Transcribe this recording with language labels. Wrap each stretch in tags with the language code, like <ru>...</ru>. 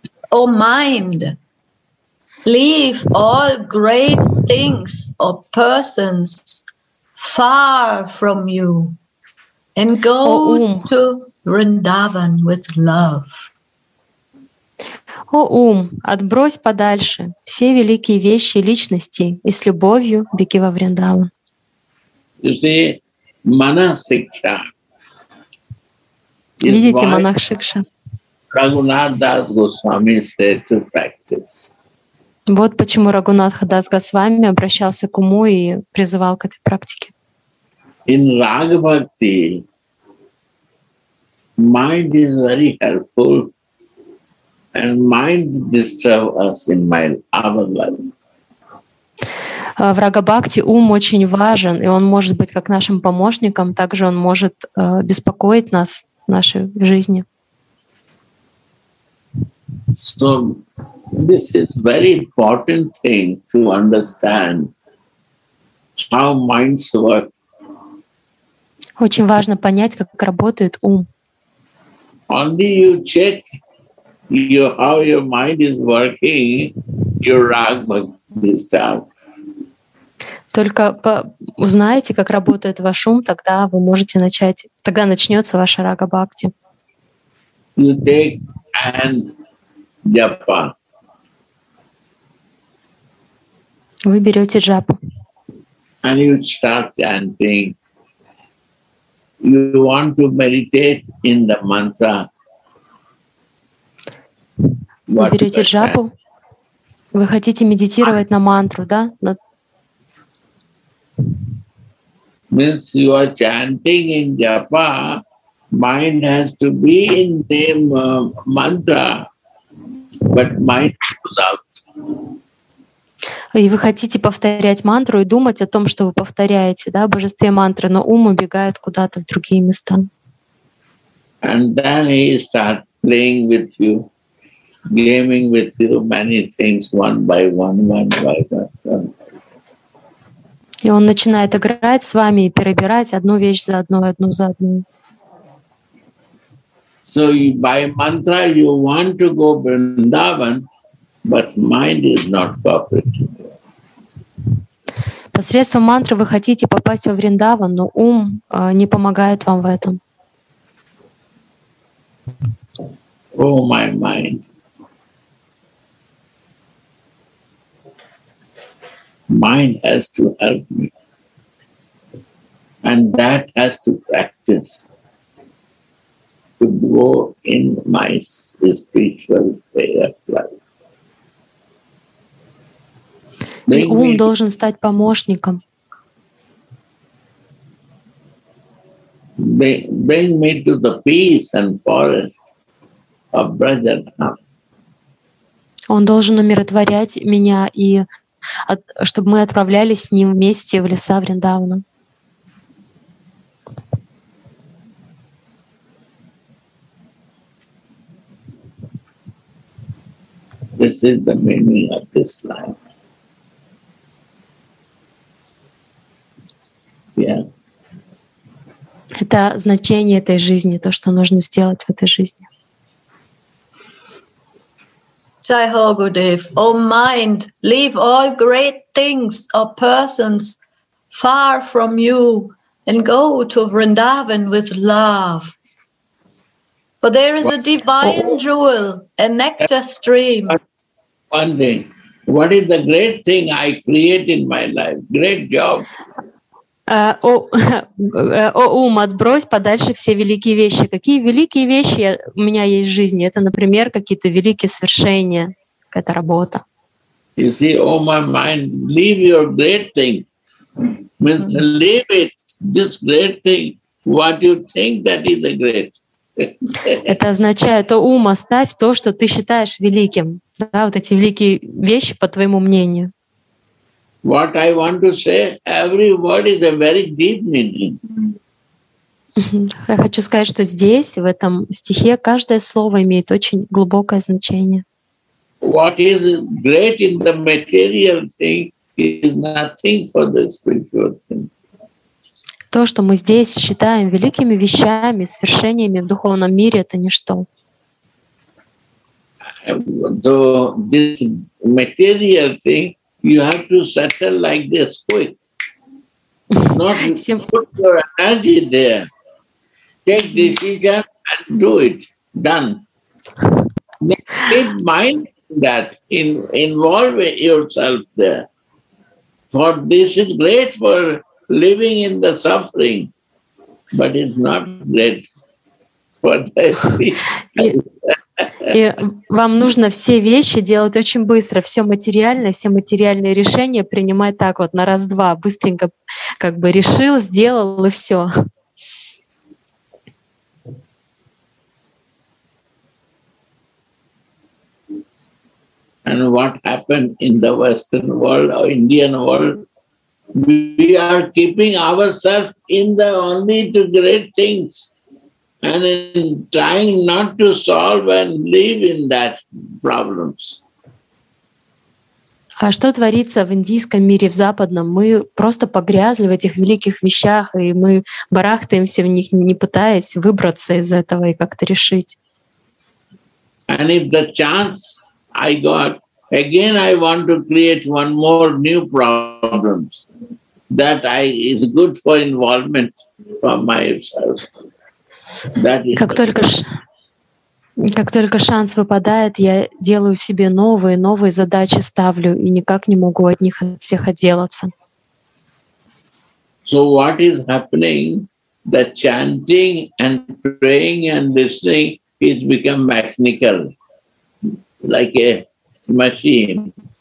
<en>O mind, leave all great things or persons far from you and go to Vrindavan with love.</en> <ru>О ум, отбрось подальше все великие вещи и личности и с любовью беги во Вриндаван. Видите, манасикша.</ru> <en>Рагунатдас Госвами said to practice.</en> <ru>Вот почему Рагунатдас Госвами обращался к уму и призывал к этой практике.</ru> <en>In Raghavati, mind is very helpful, and mind disturbs us in my our life.</en> <ru>В Рагабхакти ум очень важен, и он может быть как нашим помощником, также он может беспокоить нас в нашей жизни.</ru> <en>So this is very important thing to understand how minds work.</en> <ru>Очень важно понять, как работает ум.</ru> <en>Only you check your how your mind is working, your rāgma is down.</en> <ru>Только узнаете, как работает ваш ум, тогда вы можете начать, тогда начнется ваша рагабхакти.</ru> <en>You take and Japa.</en> <ru>Вы берете джапу.</ru> <en>And you start chanting. You want to meditate in the mantra.</en> <ru>Вы берете джапу. Вы хотите медитировать на мантру, да?</ru> <en>Means you are chanting in japa. Mind has to be in the mantra. But mind goes out.</en> <ru>И вы хотите повторять мантру и думать о том, что вы повторяете, да, божестве мантры, но ум убегает куда-то в другие места.</ru> <en>And then he starts playing with you, gaming with you many things one by one, one by one.</en> <ru>И он начинает играть с вами и перебирать одну вещь за одной, одну за одной.</ru> <en>So by mantra you want to go Vrindavan, but mind is not cooperating.</en> <ru>Посредством мантры вы хотите попасть во Вриндаван, но ум не помогает вам в этом.</ru> <en>Oh my mind. Mind has to help me. And that has to practice. To go in my spiritual way of life.</en> <ru>И ум должен стать помощником.</ru> <en>Bring me to the peace and forest of Brajadham.</en> <ru>Он должен умиротворять меня и чтобы мы отправлялись с ним вместе в леса Вриндавана.</ru> <en>This is the meaning of this life. Yeah.</en> <ru>Это значение этой жизни, то, что нужно сделать в этой жизни.</ru> <hi>Jai Ho Gurudev,</hi> <en>O mind, leave all great things or persons far from you and go to Vrindavan with love. For there is a divine jewel, a nectar stream. one thing. What is the great thing I create in my life? Great job.</en> <ru>Ум, отбрось подальше все великие вещи. Какие великие вещи у меня есть в жизни? Это, например, какие-то великие свершения, какая-то работа.</ru> <en>You see, oh my mind, leave your great thing. Leave it, this great thing, what you think that is a great.</en> <ru>Это означает, о ум, оставь то, что ты считаешь великим. Да, вот эти великие вещи, по твоему мнению.</ru> <en>What I want to say, every word is a very deep meaning.</en> <ru>Я хочу сказать, что здесь, в этом стихе, каждое слово имеет очень глубокое значение.</ru> <en>What is great in the material thing is nothing for the spiritual thing.</en> <ru>То, что мы здесь считаем великими вещами, свершениями в духовном мире, это ничто.</ru> <en>So this material thing you have to settle like this quick. Not put your energy there. Take decision and do it. Done. Keep mind that involve yourself there. For this is great for living in the suffering, but it's not great for the</en> <ru>И вам нужно все вещи делать очень быстро, все материальные решения принимать так вот на раз-два, быстренько как бы решил, сделал и все.</ru> <en>And what happened in the Western world or Indian world? We are keeping ourselves in the only two great things. And in trying not to solve and live in that problems.</en> <ru>А что творится в индийском мире, в западном? Мы просто погрязли в этих великих вещах, и мы барахтаемся в них, не пытаясь выбраться из этого и как-то решить.</ru> <en>And if the chance I got, again I want to create one more new problems that I is good for involvement for myself.</en> <ru>Как только шанс выпадает, я делаю себе новые задачи, ставлю и никак не могу от них от всех отделаться.</ru> <en>So what is happening? The chanting and praying and listening is become mechanical, like a machine.</en>